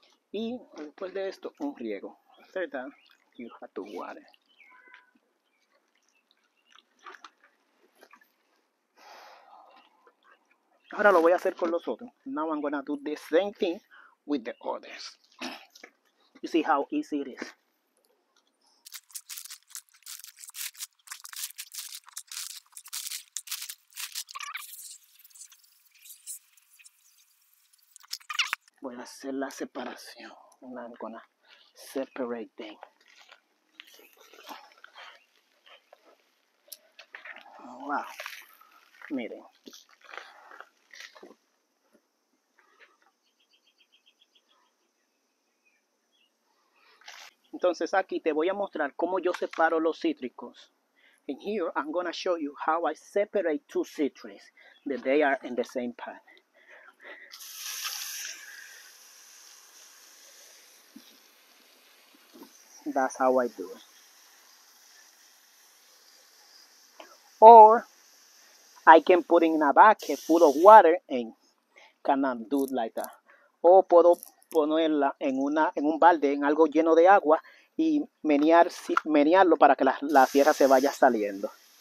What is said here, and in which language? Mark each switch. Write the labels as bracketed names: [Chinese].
[Spanish] Y después de esto, un riego. [English] After that, you have to water. [Spanish] Ahora lo voy a hacer con los otros. [English] Now I'm going to do the same thing with the others. You see how easy it is. [Spanish] Voy a hacer la separación. [English] I'm gonna separate them. [Spanish] Wow. Miren. Entonces aquí te voy a mostrar cómo yo separo los cítricos. [English] And here I'm gonna show you how I separate two citrus that they are in the same pot. That's how I do it. Or I can put in a bucket full of water and cannot do it like that. [Spanish] O puedo ponerla en un balde, en algo lleno de agua y menearlo para que la tierra se vaya saliendo.